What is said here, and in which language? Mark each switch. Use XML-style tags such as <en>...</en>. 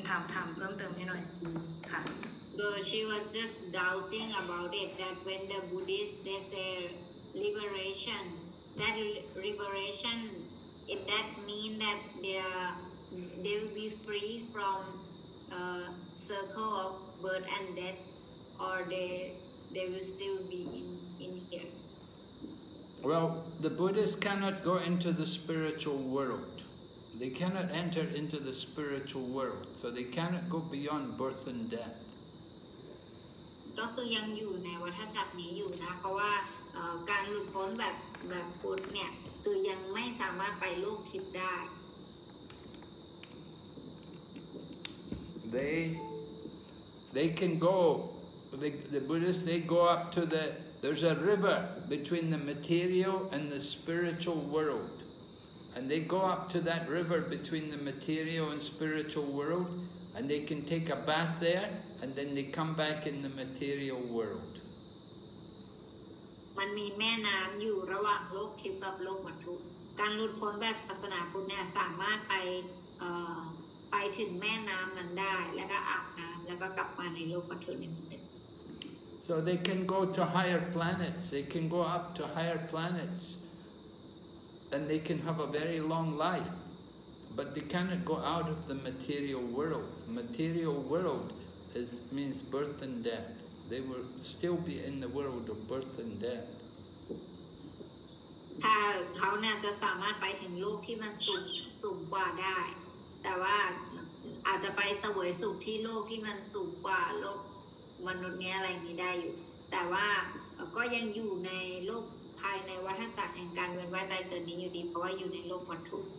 <en>So she was just doubting about it, that when the Buddhists, they say liberation, that liberation, it, that mean that they will be free from circle of birth and death, or they will still be in here? Well, the Buddhists cannot go into the spiritual world. They cannot enter into the spiritual world, so they cannot go beyond birth and death.</en> <th>ก็คือยังอยู่ในวัฏจักรนี้อยู่นะเพราะว่าการหลุดพ้นแบบพุทธเนี่ยคือยังไม่สามารถไปโลกทิพย์ได้</th> <en>They can go, the Buddhists, they go up to the, there's a river between the material and the spiritual world. And they go up to that river between the material and spiritual world, and they can take a bath there, and then they come back in the material world.</en> <th>มันมีแม่น้ำอยู่ระหว่างโลกทิพย์กับโลกวัตถุการหลุดพ้นแบบศาสนาพุทธเนี่ยสามารถไปถึงแม่น้ำนั้นได้แล้วก็อาบน้ำแล้วก็กลับมาในโลกวัตถุนี้</th> <en>So they can go to higher planets. They can go up to higher planets. And they can have a very long life, but they cannot go out of the material world. Material world means birth and death. They will still be in the world of birth and death.</en> <th>ถ้าเขาเนี่ยจะสามารถไปถึงโลกที่มันสูงกว่าได้แต่ว่าอาจจะไปเสวยสุขที่โลกที่มันสูงกว่าโลกมนุษย์เนี้ยอะไรนี้ได้อยู่แต่ว่าก็ยังอยู่ในโลกภายในวัฏจักรแห่งการเวียนว่ายตายเกิดนี้อยู่ดีเพราะว่าอยู่ในโลกวัตถุ</th>